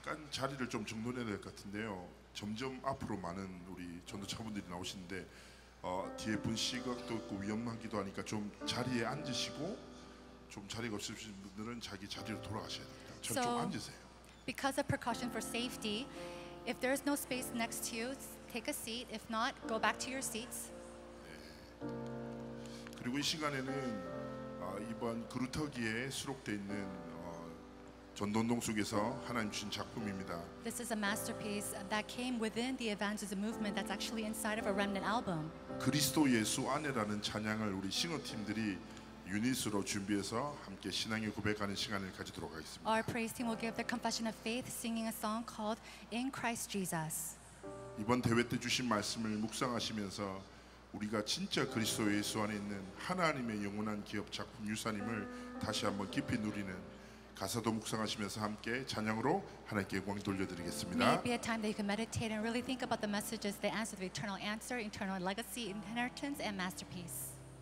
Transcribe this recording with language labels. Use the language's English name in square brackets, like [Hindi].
[Korean] 자리를 좀 정돈해야 될 것 같은데요. 점점 앞으로 많은 우리 전도자분들이 나오시는데 뒤에 분 시각도 있고 위험하기도 하니까 좀 자리에 앉으시고 좀 자리가 없으신 분들은 자기 자리로 돌아가셔야 됩니다. 좀 앉으세요. [English] Because of precaution for safety, if there's no space next to you, take a seat. If not, go back to your seats. [Korean] 그리고 이 시간에는 이번 그루터기에 수록돼 있는 전도운동 속에서 하나님 주신 작품입니다. [English] This is a masterpiece that came within the Evangelism movement that's actually inside of a remnant album. [Korean] 그리스도 예수 안에라는 찬양을 우리 싱어 팀들이 유닛으로 준비해서 함께 신앙의 고백하는 시간을 가지도록 하겠습니다. [English] Our praise team will give their confession of faith singing a song called In Christ Jesus. [Korean] 이번 대회 때 주신 말씀을 묵상하시면서 우리가 진짜 그리스도 예수 안에 있는 하나님의 영원한 기업 작품 유산임을 다시 한번 깊이 누리는 가사도 묵상하시면서 함께 찬양으로 하나님께 영광 돌려드리겠습니다. [English] May it be a time that you can meditate and really think about the messages, the answer, the eternal answer, eternal legacy, inheritance, and masterpiece.